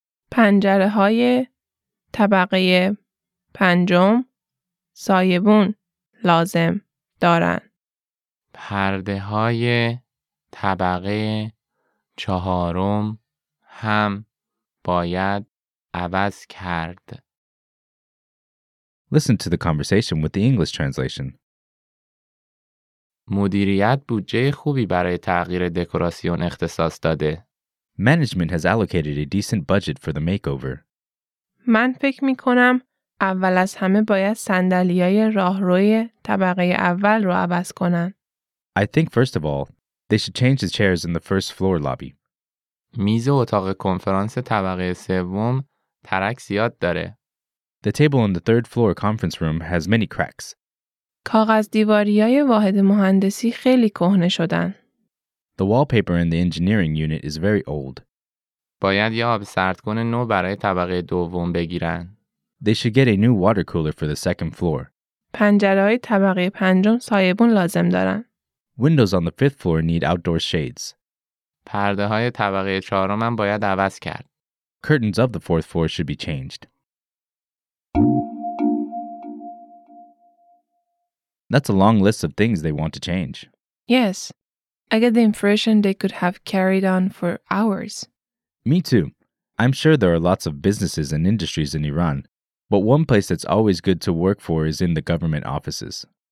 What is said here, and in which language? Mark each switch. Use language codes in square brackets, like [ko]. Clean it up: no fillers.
[fa] پنجره های طبقه پنجم سایبون لازم دارن. پرده های طبقه چهارم هم باید عوض کرد. [en] Listen to the conversation with the English translation. [fa] مدیریت بودجه خوبی برای تغییر دکوراسیون اختصاص داده. [en] Management has allocated a decent budget for the makeover. [fa] من فکر می‌کنم اول از همه باید صندلی‌های راهروی طبقه اول رو عوض کنن. [en] I think first of all, they should change the chairs in the first floor lobby. [fa] میز اتاق کنفرانس طبقه سوم ترک زیاد داره. [en] The table in the third floor conference room has many cracks. [fa] کاغذ دیواری‌های واحد مهندسی خیلی کهنه شدن. [en] The wallpaper in the engineering unit is very old. [fa] باید یه آب سردکن نو برای طبقه دوم بگیرن. [en] They should get a new water cooler for the second floor. [fa] پنجره‌های طبقه پنجم سایبون لازم دارن. [en] Windows on the fifth floor need outdoor shades. [fa] پرده‌های طبقه چهارم هم باید عوض کرد. [en] Curtains of the fourth floor should be changed. That's a long list of things they want to change. Yes. I get the impression they could have carried on for hours. Me too. I'm sure there are lots of businesses and industries in Iran, but one place that's always good to work for is in the government offices.